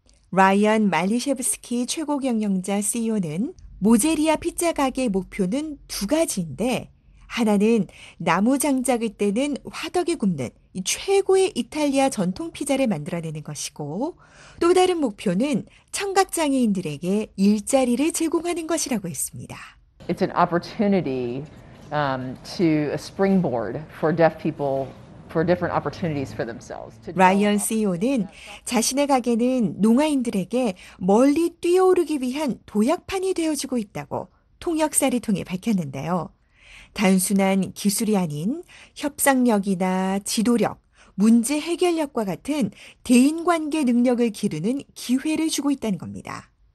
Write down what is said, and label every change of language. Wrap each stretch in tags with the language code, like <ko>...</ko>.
<ko>라이언 말리셰브스키 최고 경영자 CEO는 모제리아 피자 가게의 목표는 두 가지인데 하나는 나무 장작을 때는 화덕에 굽는 최고의 이탈리아 전통 피자를 만들어내는 것이고 또 다른 목표는 청각장애인들에게 일자리를 제공하는 것이라고 했습니다.</ko> <en>It's an opportunity to a springboard for deaf people for different opportunities for themselves.</en> <ko>라이언 CEO는 자신의 가게는 농아인들에게 멀리 뛰어오르기 위한 도약판이 되어주고 있다고 통역사를 통해 밝혔는데요. 단순한 기술이 아닌 협상력이나 지도력, 문제 해결력과 같은 대인관계 능력을 기르는 기회를 주고 있다는 겁니다.</ko>